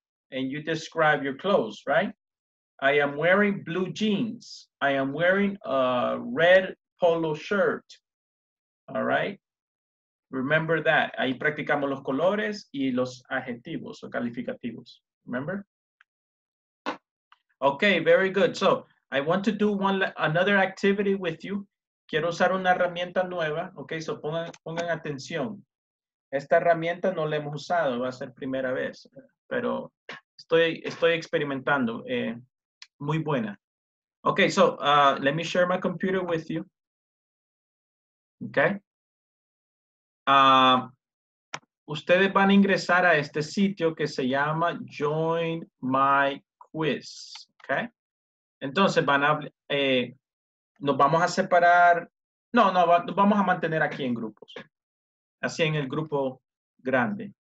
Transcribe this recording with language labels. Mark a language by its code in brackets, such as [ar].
[en] And you describe your clothes, right? I am wearing blue jeans. I am wearing a red polo shirt. All right. Remember that. [es] Ahí practicamos los colores y los adjetivos o calificativos. [en] Remember? Okay, very good. So, I want to do another activity with you. [es] Quiero usar una herramienta nueva. Okay, so pongan atención. Esta herramienta no la hemos usado. Va a ser primera vez. Pero estoy experimentando. Muy buena. [en] Okay, so let me share my computer with you. Okay. [es] Ustedes van a ingresar a este sitio que se llama Join My Quiz. Okay. Entonces van a, nos vamos a separar. No, nos vamos a mantener aquí en grupos. Así en el grupo grande.